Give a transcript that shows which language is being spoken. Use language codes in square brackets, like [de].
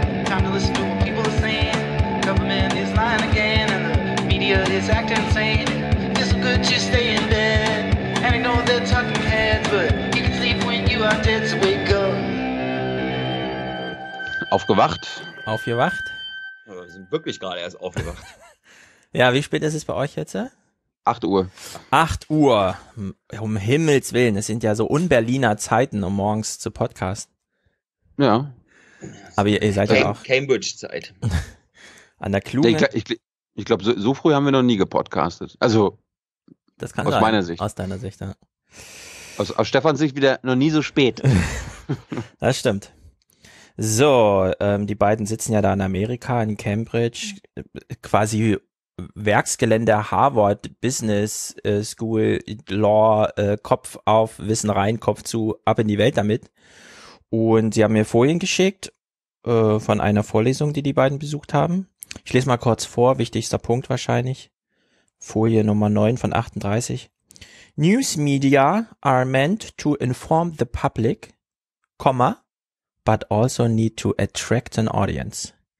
[en] Time to listen to what people are saying. Government is lying again and the media is acting insane. It's so good to stay in bed. And I know they're talking heads, but you can sleep when you are dead, so wake up. [de] Aufgewacht. Aufgewacht. Wir sind wirklich gerade erst aufgewacht. Ja, wie spät ist es bei euch jetzt? 8 Uhr. 8 Uhr. Um Himmels Willen. Es sind ja so un-Berliner Zeiten, um morgens zu podcasten. Ja. Aber ihr seid ja auch... Cambridge-Zeit. An der Klume. Ich glaube, so früh haben wir noch nie gepodcastet. Also, das kann aus sein. Meiner Sicht. Aus deiner Sicht, ja. Aus Stefans Sicht wieder noch nie so spät. Das stimmt. So, die beiden sitzen ja da in Amerika, in Cambridge, quasi Werksgelände, Harvard, Business, School, Law, Kopf auf, Wissen rein, Kopf zu, ab in die Welt damit. Und sie haben mir Folien geschickt von einer Vorlesung, die beiden besucht haben. Ich lese mal kurz vor, wichtigster Punkt wahrscheinlich. Folie Nummer 9 von 38. [en] News media are meant to inform the public, comma, but also need to attract an audience.